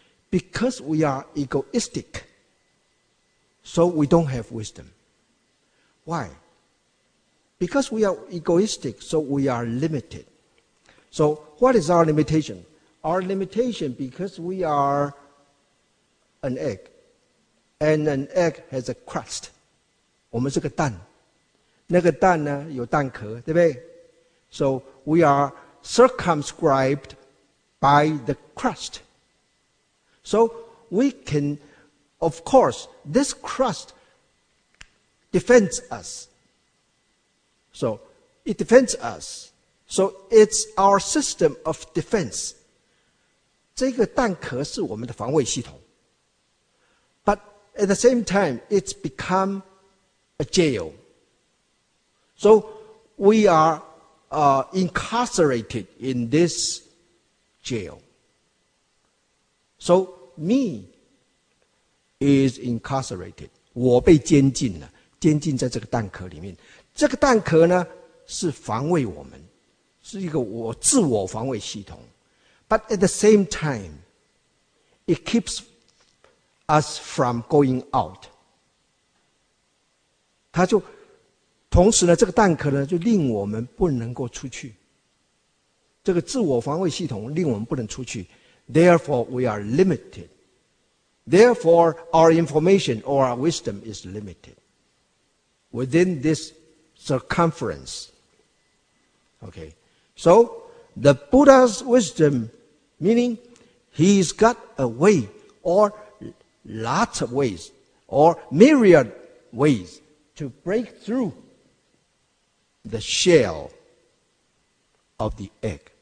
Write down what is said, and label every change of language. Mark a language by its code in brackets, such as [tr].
[en] Because we are egoistic, so we don't have wisdom. Why? Because we are egoistic, so we are limited. So what is our limitation? Our limitation, because we are an egg, and an egg has a crust. [zh] 我们是个蛋，那个蛋呢有蛋壳，对不对？ [en] So we are circumscribed by the crust. So we can Of course, this crust defends us. So it defends us. So it's our system of defense. [zh] 这个蛋壳是我们的防卫系统。 [en] But at the same time, it's become a jail. So we are incarcerated in this jail. So me is incarcerated. [zh] 我被监禁了，监禁在这个蛋壳里面。这个蛋壳呢，是防卫我们，是一个我自我防卫系统。 [en] But at the same time, it keeps us from going out. [zh] 它就同时呢，这个蛋壳呢，就令我们不能够出去。这个自我防卫系统令我们不能出去。 [en] Therefore, we are limited. Therefore, our information or our wisdom is limited within this circumference. Okay. So, the Buddha's wisdom, meaning he's got a way or lots of ways or myriad ways to break through the shell of the egg.